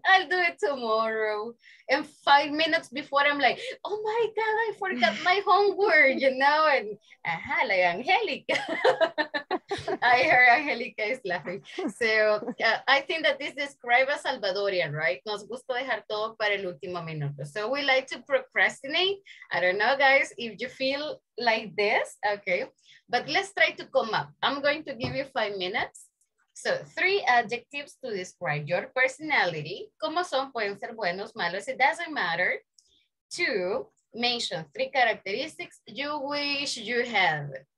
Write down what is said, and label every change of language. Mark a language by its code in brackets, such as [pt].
[en] I'll do it tomorrow. And 5 minutes before, I'm like, oh my God, I forgot my homework, you know? And like Angelica. I heard Angelica is laughing. So I think that this describes a Salvadorian, right? [es] Nos gusta dejar todo para el último minuto. [en] So we like to procrastinate. I don't know, guys, if you feel like this, okay? But let's try to come up. I'm going to give you 5 minutes. So, three adjectives to describe your personality. [es] Como son, pueden ser buenos, malos, [en] it doesn't matter. Two, mention three characteristics you wish you have.